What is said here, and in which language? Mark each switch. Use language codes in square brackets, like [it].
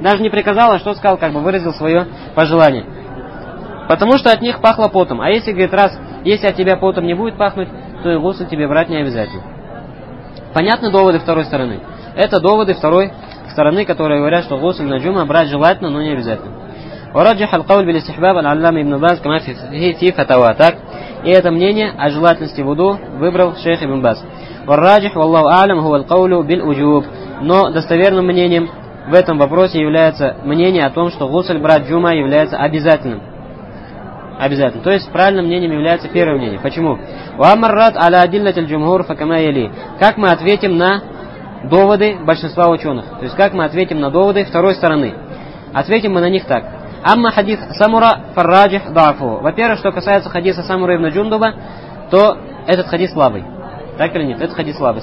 [ru] Даже не приказал, а что сказал, как бы выразил свое пожелание. Потому что от них пахло потом. А если, говорит, раз, если от тебя потом не будет пахнуть, то и гусль тебе брать не обязательно. Понятны доводы второй стороны? Это доводы второй стороны, которые говорят, что гусль на джума брать желательно, но не обязательно. [ar] ورجح القول بالاستحباب عن علامة ابن باز كما في فتاوى [ru] так. И это мнение о желательности вуду выбрал шейх ибн Баз. [ar] والراجح والله اعلم هو القول بالوجوب. [ru] Но достоверным мнением в этом вопросе является мнение о том, что гусль брать джума является обязательным. Обязательно. То есть правильным мнением является первое мнение. Почему? [ar] واما الرد على أدلة الجمهور فكما يلي. [ru] Как мы ответим на доводы большинства ученых? То есть как мы ответим на доводы второй стороны? Ответим мы на них так: [ar] «Амма хадис Самура фарраджих дафу». [ru] Во-первых, что касается хадиса Самура ибн Джундуба, то этот хадис слабый. Так или нет? Этот хадис слабый.